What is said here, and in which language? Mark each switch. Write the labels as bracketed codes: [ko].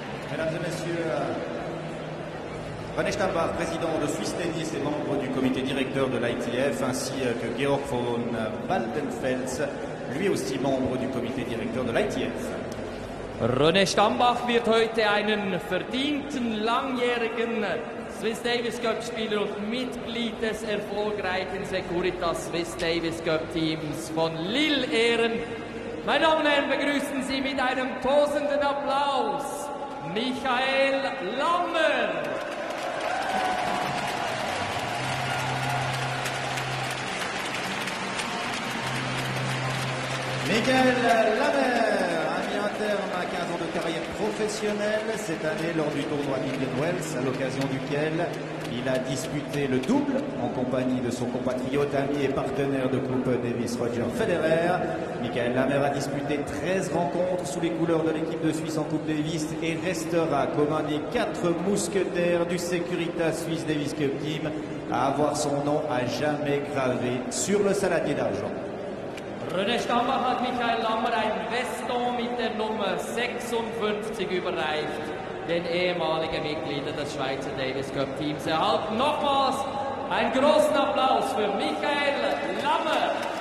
[fr] Mesdames et Messieurs, René Stambach, président de Swiss Tennis et membre du comité directeur de l'ITF, ainsi que Georg von Waldenfels, lui aussi membre du comité directeur de l'ITF. [de] René Stambach wird heute einen verdienten langjährigen Swiss Davis Cup Spieler und Mitglied des erfolgreichen Securitas Swiss Davis Cup Teams von Lille ehren. Meine Damen und Herren, begrüßen Sie mit einem tosenden Applaus Michael Lammer. [fr] Michael Lammer a mis un terme à 15 ans de carrière professionnelle cette année lors du tournoi d'Indian Wells, à l'occasion duquel il a disputé le double en compagnie de son compatriote, ami et partenaire de Coupe Davis Roger Federer. Michael Lammer a disputé 13 rencontres sous les couleurs de l'équipe de Suisse en Coupe Davis et restera comme un des 4 mousquetaires du Securitas Swiss Davis Cup Team à avoir son nom à jamais gravé sur le saladier d'argent. [de] René Stambach hat Michael Lammer ein Veston mit der Nummer 56 überreicht. Den ehemaligen Mitgliedern des Schweizer Davis Cup Teams erhalten nochmals einen großen Applaus für Michael Lammer.